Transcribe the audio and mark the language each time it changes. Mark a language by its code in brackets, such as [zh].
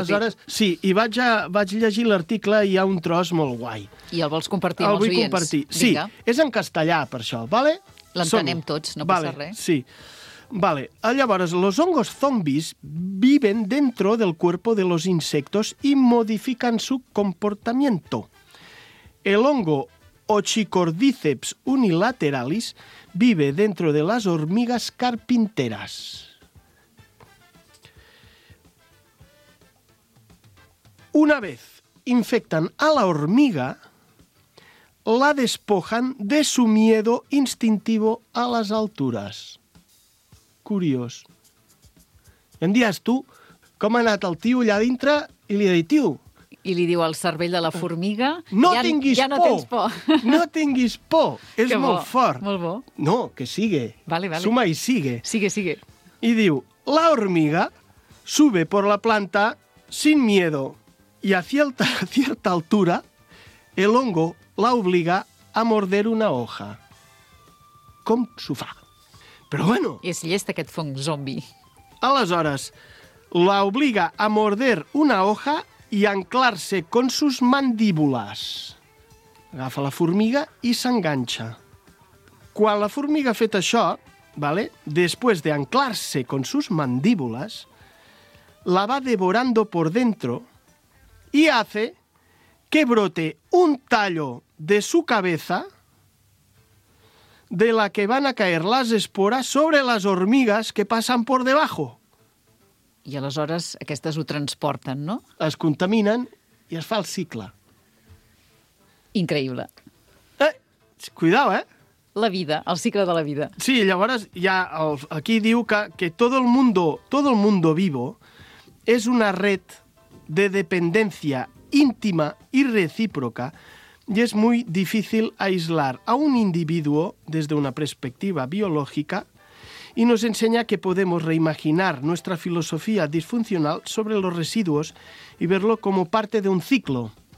[ca] Aleshores, sí, i vaig llegir l'article i hi ha un tros molt guai. I el vols compartir amb els oients? El vull compartir. Vinga. Sí, és en castellà, per això, vale? L'entenem tots, no vale, passa res. Sí. [es] Vale, llavors, los hongos zombis viven dentro del cuerpo de los insectos y modifican su comportamiento. El hongo Ochicordyceps unilateralis vive dentro de las hormigas carpinteras. Una vez infectan a la hormiga, la despojan de su miedo instintivo a las alturas. [ca] Curiós. I em diràs tu com ha anat el tio allà dintre i li ha dit, tio... I li diu al cervell de la formiga... No ja, tinguis ja por! Ja no tens por! No tinguis por! És que molt bo, fort! Molt bo. [es] No, que sigue. Vale, vale. [ca] Suma i sigue. [es] Sigue, sigue. [ca] I diu, [es] la hormiga sube por la planta sin miedo y a cierta altura el hongo la obliga a morder una hoja. [ca] Com s'ho fa? Però bueno... És llest, aquest fong zombi. Aleshores, [es] la obliga a morder una hoja i anclar-se con sus mandíbulas. [ca] Agafa la formiga i s'enganxa. Quan la formiga ha fet això, ¿vale? [es] Después de anclar-se con sus mandíbulas, la va devorando por dentro y hace que brote un tallo de su cabeza... de la que van a caer las esporas sobre las hormigas que pasan por debajo. [ca] I aleshores aquestes ho transporten, no? Es contaminen i es fa el cicle. Increïble. [es] Cuidao, eh? [ca] La vida, el cicle de la vida. Sí, llavors ja aquí diu que [es] todo el mundo vivo és una red de dependència íntima i recíproca. Y es muy difícil aislar a un individuo desde una perspectiva biológica y nos enseña que podemos reimaginar nuestra filosofía disfuncional sobre los residuos y verlo como parte de un ciclo.